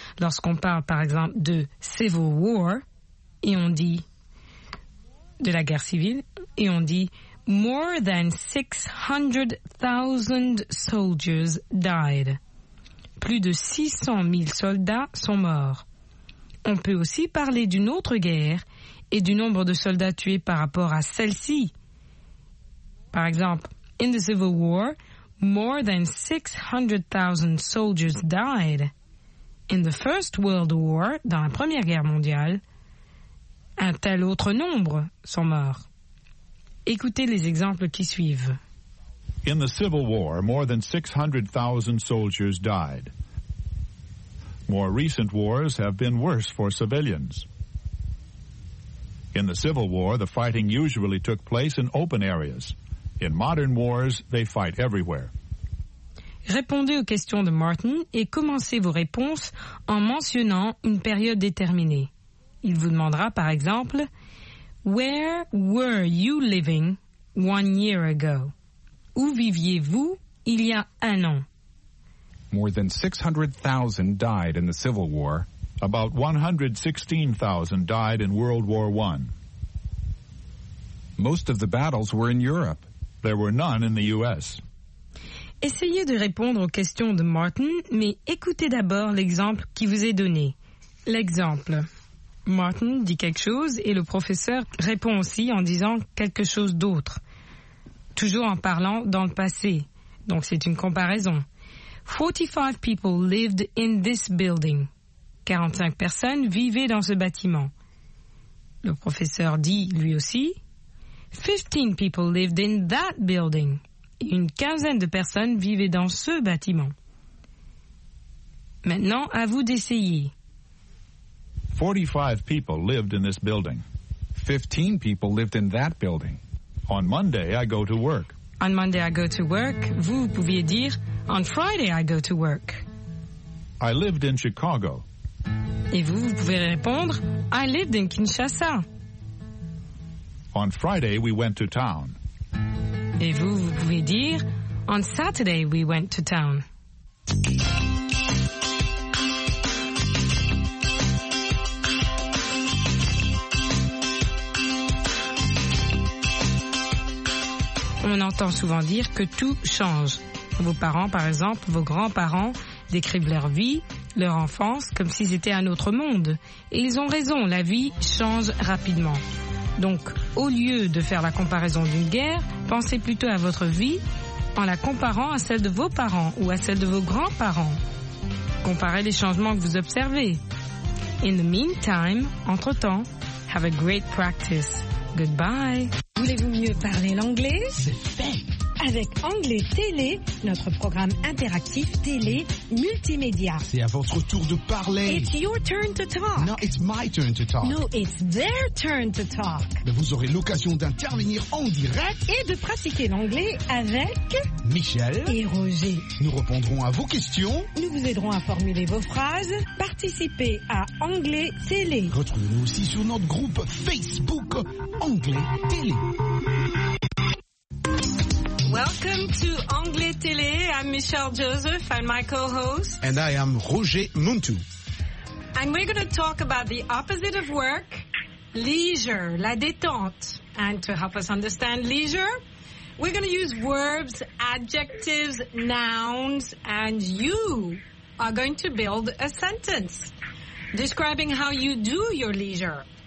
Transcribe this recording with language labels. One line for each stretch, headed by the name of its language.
French: Lorsqu'on parle, par exemple, de Civil War, et on dit de la guerre civile, et on dit
English: More than 600,000 soldiers died.
French: Plus de 600 000 soldats sont morts. On peut aussi parler d'une autre guerre et du nombre de soldats tués par rapport à celle-ci. Par exemple,
English: in the Civil War, more than 600,000 soldiers died. In the First World War,
French: dans la Première Guerre mondiale, un tel autre nombre sont morts. Écoutez les exemples qui suivent.
English: In the Civil War, more than 600,000 soldiers died. More recent wars have been worse for civilians. In the Civil War, the fighting usually took place in open areas. In modern wars, they fight everywhere.
French: Répondez aux questions de Martin et commencez vos réponses en mentionnant une période déterminée. Il vous demandera, par exemple,
English: Where were you living 1 year ago?
French: Où viviez-vous il y a un an?
English: More than 600,000 died in the Civil War. About 116,000 died in World War I. Most of the battles were in Europe. There were none in the U.S.
French: Essayez de répondre aux questions de Martin, mais écoutez d'abord l'exemple qui vous est donné. L'exemple. Martin dit quelque chose et le professeur répond aussi en disant quelque chose d'autre. Toujours en parlant dans le passé. Donc c'est une comparaison.
English: 45 people lived in this building.
French: 45 personnes vivaient dans ce bâtiment. Le professeur dit lui aussi
English: 15 people lived in that building.
French: Une quinzaine de personnes vivaient dans ce bâtiment. Maintenant, à vous d'essayer.
English: 45 people lived in this building. 15 people lived in that building. On Monday, I go to work. On Monday, I go to work.
French: Vous pouviez dire,
English: On Friday, I go to work. I lived in Chicago.
French: Et vous pouvez répondre,
English: I lived in Kinshasa. On Friday, we went to town.
French: Et vous pouvez dire,
English: On Saturday, we went to town.
French: On entend souvent dire que tout change. Vos parents, par exemple, vos grands-parents, décrivent leur vie, leur enfance, comme si c'était un autre monde. Et ils ont raison, la vie change rapidement. Donc, au lieu de faire la comparaison d'une guerre, pensez plutôt à votre vie en la comparant à celle de vos parents ou à celle de vos grands-parents. Comparez les changements que vous observez.
English: In the meantime,
French: entre-temps,
English: have a great practice. Goodbye.
French: Voulez-vous mieux parler l'anglais? C'est fait. Avec Anglais Télé, notre programme interactif télé multimédia. C'est à votre tour de parler.
English: It's your turn to talk. No, it's my turn to talk. No, it's their turn to talk.
French: Mais vous aurez l'occasion d'intervenir en direct et de pratiquer l'anglais avec Michel et Roger. Nous répondrons à vos questions. Nous vous aiderons à formuler vos phrases. Participez à Anglais Télé. Retrouvez-nous aussi sur notre groupe Facebook Anglais Télé.
English: Welcome to Anglais Télé. I'm Michelle Joseph. I'm my co-host. And I am Roger Muntou. And we're going to talk about the opposite of work, leisure,
French: la détente.
English: And to help us understand leisure, we're going to use verbs, adjectives, nouns, and you are going to build a sentence describing how you do your leisure.